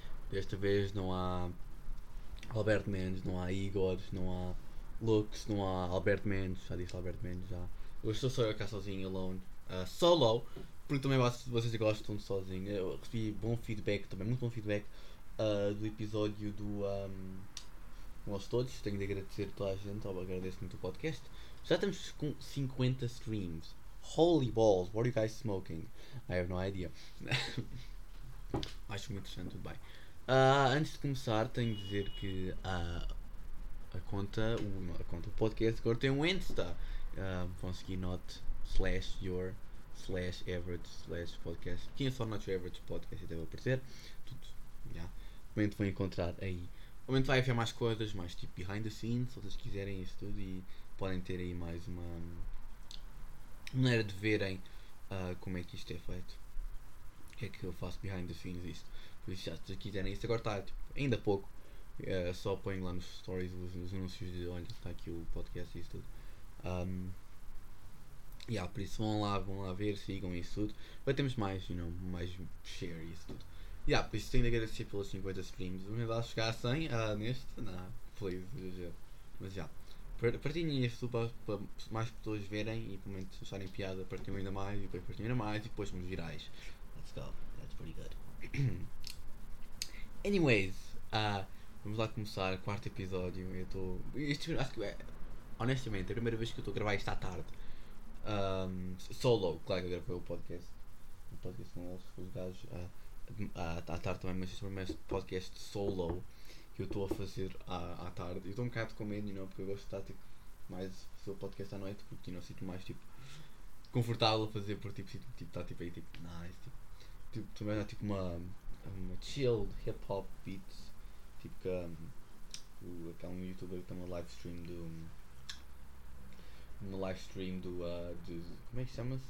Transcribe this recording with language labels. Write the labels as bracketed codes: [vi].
[pt] Desta vez não há Alberto Mendes, não há Igor, não há Lux, não há Alberto Mendes. Já disse Alberto Mendes já. Hoje estou só eu cá sozinho, alone. Solo, porque também vocês gostam de sozinho. Eu recebi bom feedback também, muito bom feedback do episódio do. Nós todos, tenho de agradecer a toda a gente, agradeço muito o podcast. Já estamos com 50 streams. [en] Holy balls, what are you guys smoking? I have no idea. [pt] Acho muito interessante, tudo bem. Antes de começar, tenho de dizer que a conta, o podcast agora tem um Insta. Vão seguir not/your/average/podcast. Quem é só not your average podcast, deve aparecer. Tudo, já. Também te vão encontrar aí. O momento vai haver mais coisas, mais tipo behind the scenes, se vocês quiserem isso tudo, e podem ter aí mais uma maneira de verem como é que isto é feito. O que é que eu faço behind the scenes isto. Por isso, já, se vocês quiserem isso, agora está tipo, ainda pouco. Só põem lá nos stories os anúncios de onde está aqui o podcast e isso tudo. Yeah, por isso vão lá ver, sigam isso tudo. Para termos mais, [en] you know, [pt] mais share e isso tudo. Já, yeah, por isso tenho de agradecer pelos 50 streams. Vamos lá chegar a 100 neste? Não, please. Mas já, yeah. Partilhem isto para mais pessoas verem e pelo menos acharem piada, partilhem ainda mais e depois partilhem ainda mais e depois vamos virais. [en] Let's go, that's pretty good. [pt] Anyways, vamos lá começar o quarto episódio. Eu estou. Acho que é. Honestamente, é a primeira vez que eu estou a gravar isto à tarde. Solo, claro que eu gravei o podcast. O podcast com eles, com os gajos. À tarde também, mas este é o meu podcast solo que eu estou a fazer à tarde. Eu estou um bocado com medo, [en] you know, [pt] porque eu gosto de estar tipo, mais a fazer o podcast à noite, porque eu sinto mais tipo confortável a fazer, porque tipo, sinto tipo, tá, tipo aí tipo nice, tipo também há tipo uma chill hip hop beat, tipo que aquele youtuber que tem uma live stream do. Uma live stream do. De, como é que chama-se?